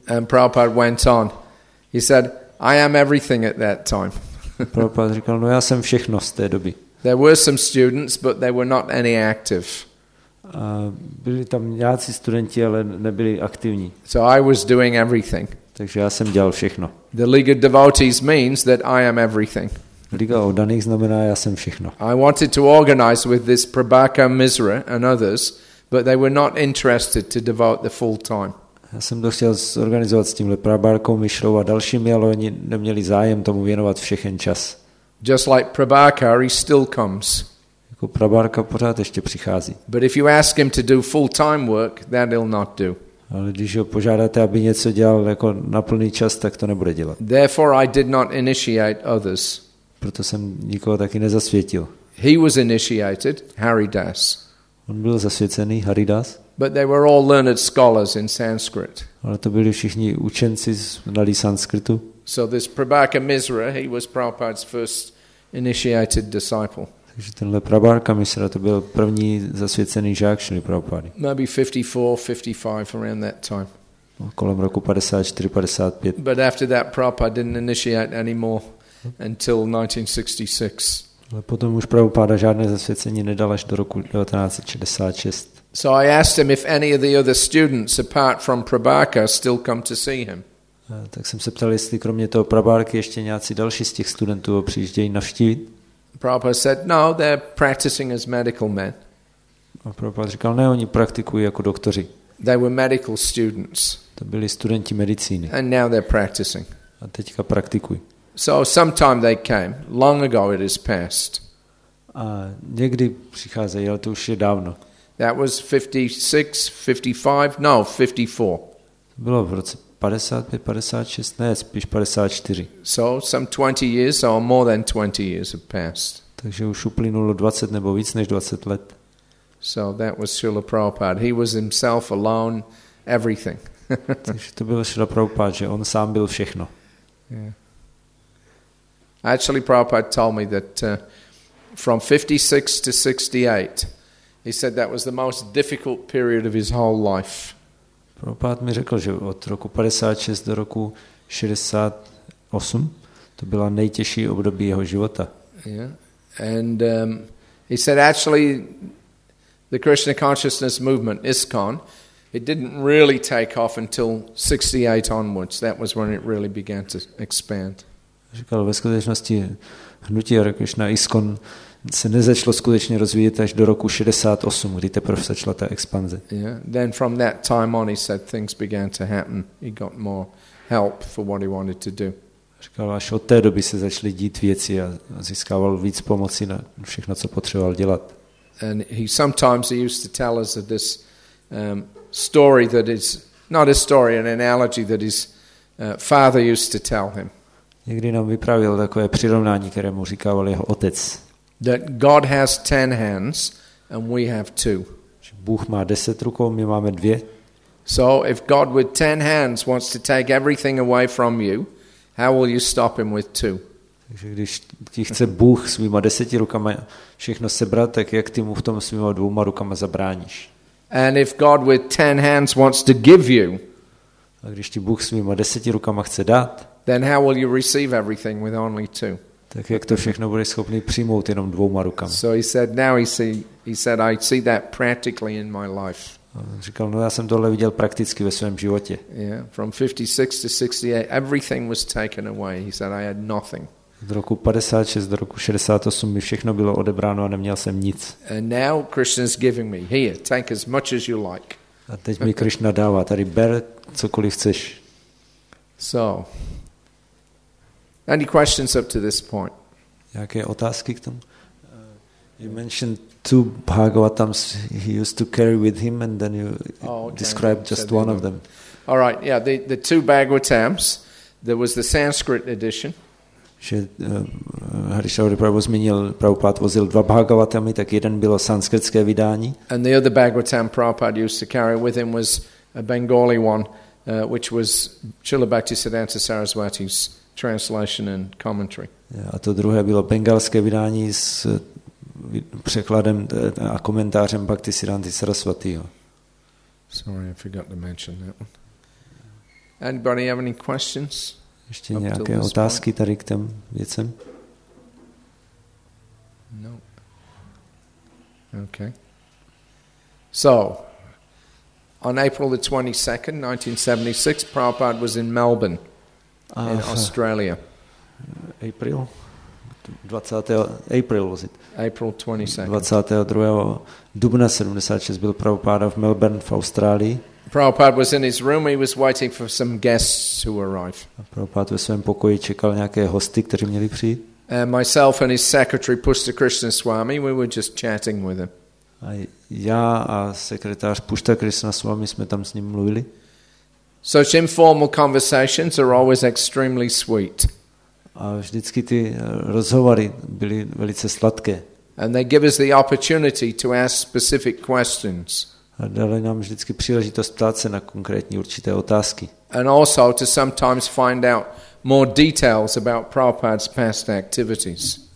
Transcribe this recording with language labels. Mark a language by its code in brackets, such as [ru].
[en] And Prabhupada went on. He said, I am everything at that time. [cs] Prabhupada říkal, no já jsem všechno z té doby. [en] There were some students, but they were not any active. [cs] A byli tam nějací studenti, ale nebyli aktivní. [en] So I was doing everything. [cs] Takže já jsem dělal všechno. [en] The League of Devotees means that I am everything. [cs] Liga Odaných znamená, já jsem všechno. [en] I wanted to organize with this Prabhaka Misra and others, but they were not interested to devote the full time. [cs] Já jsem to chtěl zorganizovat s tímhle Prabhakou Mishrou a dalšími, ale oni neměli zájem tomu věnovat všechen čas. [en] Just like Prabhaka, he still comes. [cs] Jako Prabhaka pořád ještě přichází. [en] But if you ask him to do full-time work, that he'll not do. [cs] Ale když ho požádáte, aby něco dělal jako na plný čas, tak to nebude dělat. [en] Therefore I did not initiate others. [cs] Proto jsem nikoho taky nezasvětil. [en] He was initiated, Haridas. [cs] On byl zasvěcený, Haridas. [en] But they were all learned scholars in Sanskrit. [cs] Ale to byli všichni učenci znalí sanskritu. [en] So this Prabhaka Misra, he was Prabhupada's first initiated disciple. [cs] Takže tenhle Prabhaka Misra, to byl první zasvěcený žák Šrily Prabhupady. [en] Maybe 54, 55 around that time. [cs] No, kolem roku 54-55. [en] But after that Prabhupada didn't initiate any more until 1966. [cs] Ale potom už Prabhupada žádné zasvěcení nedal až do roku 1966. [en] So I asked him if any of the other students apart from Prabhaka still come to see him. [cs] Tak jsem se ptal, jestli kromě toho Prabhaky ještě nějací další z těch studentů ho přijíždějí navštívit. [en] Prabhupada said, no, they're practicing as medical men. [cs] A Prabhupada říkal, ne, oni praktikují jako doktoři. [en] They were medical students. [cs] To byli studenti medicíny. [en] And now they're practicing. [cs] A teďka praktikují. [en] So sometime they came. Long ago it is past. [cs] A někdy přicházejí, ale to už je dávno. [en] That was 56, 55, no, 54. [cs] To bylo v roce 55, 56, ne, spíš 54. [en] So some 20 years or more than 20 years have passed. [cs] Takže už uplynulo 20 nebo víc než 20 let. [en] So that was Srila Prabhupada. He was himself alone, everything. [cs] Takže to byl Srila Prabhupada, že on sám byl všechno. [en] Yeah. Actually, Prabhupada told me that from 56 to 68, he said that was the most difficult period of his whole life. [cs] Prabhupada mi řekl, že od roku 56 do roku 68 to byla nejtěžší období jeho života. [en] Yeah. And he said actually the Krishna consciousness movement ISKCON, it didn't really take off until 68 onwards. That was when it really began to expand. [cs] Říkal, ve skutečnosti hnutí Hare Krishna ISKCON se nezačalo skutečně rozvíjet až do roku 68, kdy teprve začala ta expanze. [en] Yeah. Then from that time on, he said things began to happen. He got more help for what he wanted to do. [cs] Říkal, až od té doby se začaly dít věci a získával víc pomoci na všechno, co potřeboval dělat. [en] And he sometimes he used to tell us that this story that is not a story, an analogy that his father used to tell him. [cs] Někdy nám vyprávěl takové přirovnání, které mu říkával jeho otec. [en] That God has 10 hands and we have 2. [cs] Bůh má 10 rukou, my máme 2. [en] So if God with 10 hands wants to take everything away from you, how will you stop him with 2? [cs] Takže když ti chce Bůh svýma 10 rukama všechno sebrat, tak jak ty mu v tom svýma 2 rukama zabráníš? [en] And if God with 10 hands wants to give you, [cs] A když ti Bůh svýma deseti rukama chce dát, [en] then how will you receive everything with only two? [cs] Tak jak to všechno budeš schopný přijmout jenom dvouma rukama? [en] So he said, now he said, I see that practically in my life. [cs] Říkal, no já jsem tohle viděl prakticky ve svém životě. [en] Yeah, from 56 to 68, everything was taken away. He said, I had nothing. [cs] Od roku 56 do roku 68 mi všechno bylo odebráno a neměl jsem nic. [en] And now Krishna's giving me, here, take as much as you like. [cs] A teď mi Krishna dává, tady ber cokoliv chceš. [en] So, any questions up to this point? [cs] Jaké otázky k tomu? [en] You mentioned two Bhagavatams he used to carry with him, and then you described just one of them. All right, yeah, the two Bhagavatams. There was the Sanskrit edition. [cs] Že Harishchandra Prabhu zmínil, Prabhupád vozil dva Bhagavatamy, tak jeden bylo sanskritské vydání. [en] And the other Bhagavatam Prabhupád used to carry with him was a Bengali one, which was Srila Bhaktisiddhanta Saraswati's translation and commentary. [cs] A to druhé bylo bengalské vydání s překladem a komentářem Bhaktisiddhanty Sarasvatiho. [en] Sorry, I forgot to mention that one. Anybody have any questions? [cs] Ještě nějaké otázky tady k těm věcem? [en] No. Okay. So, on April the 22nd, 1976, Prabhupada was in Melbourne, in Australia. April 22nd. 22. [cs] dubna 76 byl Prabhupada v Melbourne v Austrálii. [en] Prabhupada was in his room, he was waiting for some guests to arrive. [cs] Prabhupada ve svém pokoji čekal nějaké hosty, kteří měli přijít. [en] And myself and his secretary Pushtakrishna Swami, we were just chatting with him. [cs] A já a sekretář Pushtakrishna Swami jsme tam s ním mluvili. [en] Such informal conversations are always extremely sweet. [cs] A vždycky ty rozhovory byly velice sladké. [en] And they give us the opportunity to ask specific questions. [cs] A dali nám vždycky příležitost ptát se na konkrétní určité otázky. [en] And also to sometimes find out more details about Prabhupada's past activities.